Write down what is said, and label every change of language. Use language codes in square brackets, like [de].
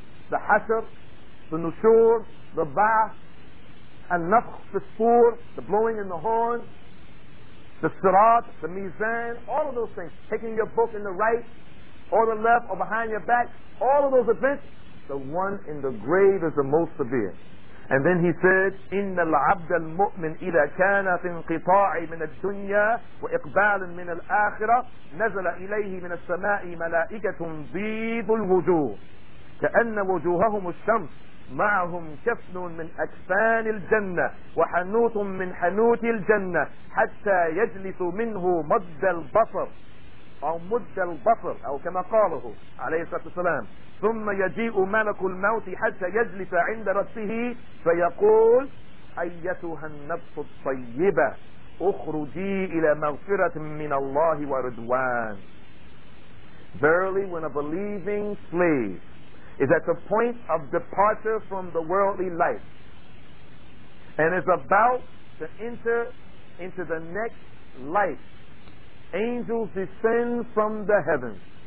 [en] The hashr, the nushur, the ba'ath, an-nafkh fis-sur, the blowing in the horn, the sirat, the mizan, all of those things. Taking your book in the right, or the left, or behind your back, all of those events, the one in the grave is the most severe. And then he said, [ar] إِنَّ الْعَبْدَ الْمُؤْمِنِ إِذَا كَانَ فِي انْقِطَاعِ مِنَ الدُّنْيَا وَإِقْبَالٍ مِنَ الْآخِرَةِ نَزَلَ إِلَيْهِ مِنَ السَّمَاءِ مَلَائِكَةٌ ضِيضُ الْوُجُوهِ كَأَنَّ وُجُوهَهُمُ الشَّمْسُ مَعَهُمْ كَفْنٌ مِنْ أَكْفَانِ الْجَنَّةِ وَحَنُوتٌ مِنْ حَنُوتِ الْجَنَّةِ حَتَّى يَجْلِسُ مِنْهُ مُدَّ الْبَصَرِ أو مد البصر أو كما قاله عليه الصلاة والسلام ثم يجيء ملك الموت حتى يجلس عند رأسه فيقول أيتها النفس الطيبة أخرجي إلى مغفرة من الله ورضوان. [en] Verily, when a believing slave is at the point of departure from the worldly life and is about to enter into the next life, angels descend from the heavens.